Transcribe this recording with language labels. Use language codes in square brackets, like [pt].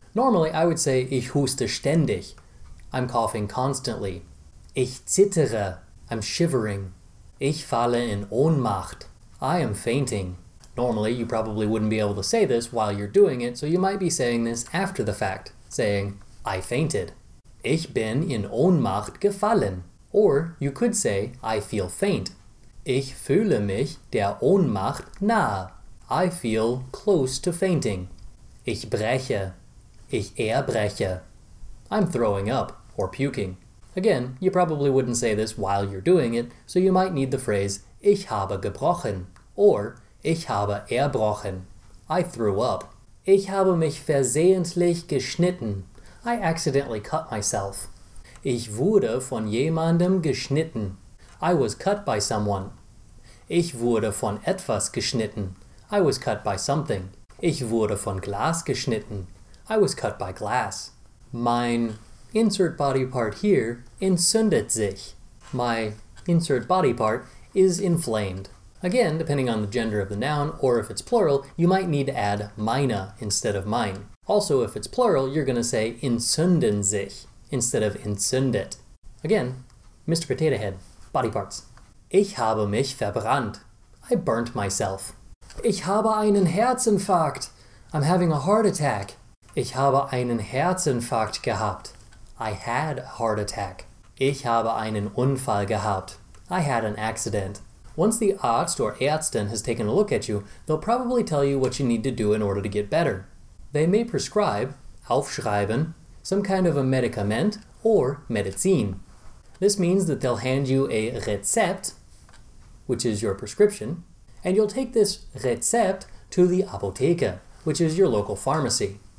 [en] Normally, I would say [de] ich huste ständig. [en] I'm coughing constantly. [de] Ich zittere. [en] I'm shivering. [de] Ich falle in Ohnmacht. [en] I am fainting. Normally, you probably wouldn't be able to say this while you're doing it, so you might be saying this after the fact, saying, I fainted. [de] Ich bin in Ohnmacht gefallen. [en] Or you could say, I feel faint. [de] Ich fühle mich der Ohnmacht nahe. [en] I feel close to fainting. [de] Ich breche. Ich erbreche. [en] I'm throwing up or puking. Again, you probably wouldn't say this while you're doing it, so you might need the phrase [de] Ich habe gebrochen [en] or [de] Ich habe erbrochen. [en] I threw up. [de] Ich habe mich versehentlich geschnitten. [en] I accidentally cut myself. [de] Ich wurde von jemandem geschnitten. [en] I was cut by someone. [de] Ich wurde von etwas geschnitten. [en] I was cut by something. [de] Ich wurde von Glas geschnitten. [en] I was cut by glass. Mein insert body part here [de] entzündet sich. [en] My insert body part is inflamed. Again, depending on the gender of the noun or if it's plural, you might need to add meine instead of mine. Also, if it's plural, you're going to say entzünden sich instead of entzündet. Again, Mr. Potato Head, body parts. [de] Ich habe mich verbrannt. [en] I burnt myself. [de] Ich habe einen Herzinfarkt. [en] I'm having a heart attack. [de] Ich habe einen Herzinfarkt gehabt. [en] I had a heart attack. [de] Ich habe einen Unfall gehabt. [en] I had an accident. Once the Arzt or Ärztin has taken a look at you, they'll probably tell you what you need to do in order to get better. They may prescribe, aufschreiben, some kind of a medicament or Medizin. This means that they'll hand you a Rezept, which is your prescription, and you'll take this Rezept to the Apotheke, which is your local pharmacy.